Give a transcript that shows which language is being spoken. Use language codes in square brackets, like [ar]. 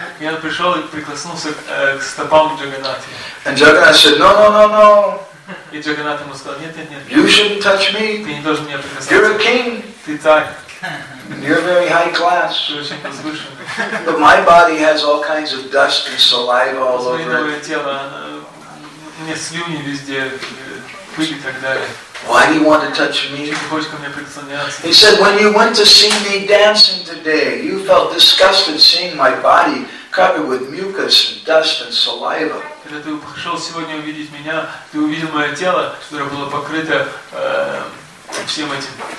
[ru] Я пришел и прикоснулся к стопам Джаганнатхи. [en] And Jagannath said, "No, no, no, no." [ru] И Джаганнатх ему сказал, "Нет, нет, нет." [en] You shouldn't touch me. [ru] Ты не должен меня прикасаться. [en] You're a king. [ru] Ты царь. [en] You're very high class. [ru] Ты очень возвышенный. [en] But my body has all kinds of dust and saliva all over it. [ru] Мое тело, мне слюни везде, пыль и так далее. [en] Why do you want to touch me? He said, when you went to see me dancing today, you felt disgusted seeing my body covered with mucus and dust and saliva. [ru] Когда ты пришел сегодня увидеть меня, ты увидел мое тело, которое было покрыто всем этим.